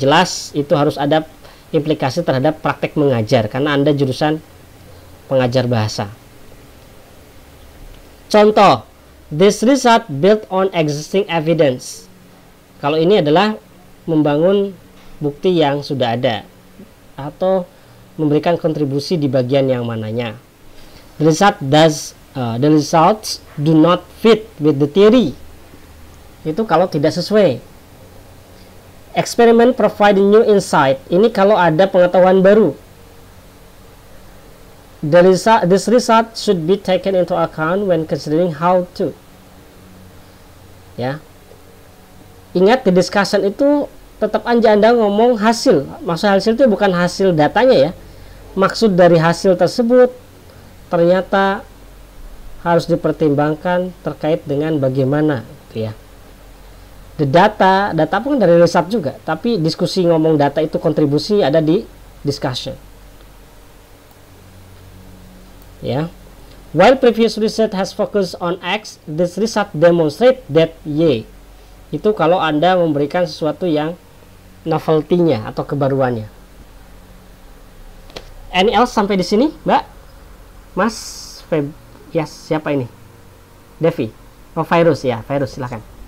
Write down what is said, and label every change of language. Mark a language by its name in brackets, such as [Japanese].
[Indonesian] Jelas itu harus ada implikasi terhadap praktek mengajar karena Anda jurusan pengajar bahasa. Contoh, [English] this result built on existing evidence. [Indonesian] Kalau ini adalah membangun bukti yang sudah ada atau memberikan kontribusi di bagian yang mananya. [English] The results do not fit with the theory. [Indonesian] Itu kalau tidak sesuai. [English] Experiment provide new insight. [Indonesian] Ini kalau ada pengetahuan baru. [English] This result should be taken into account when considering how to. [Indonesian] Ya. Ingat, the discussion itu tetap aja Anda ngomong hasil. Maksud hasil itu bukan hasil datanya ya. Maksud dari hasil tersebut ternyata harus dipertimbangkan terkait dengan bagaimana gitu ya. The data pun dari riset juga, tapi diskusi ngomong data itu kontribusi ada di discussion. Ya. [English] While previous research has focused on X, this research demonstrate that Y. [Indonesian] Itu kalau Anda memberikan sesuatu yang novelty-nya atau kebaruannya. [English] Any else [Indonesian] sampai di sini, Mbak? Mas Feb, ya, siapa ini? Devi. Oh, virus ya, virus silakan.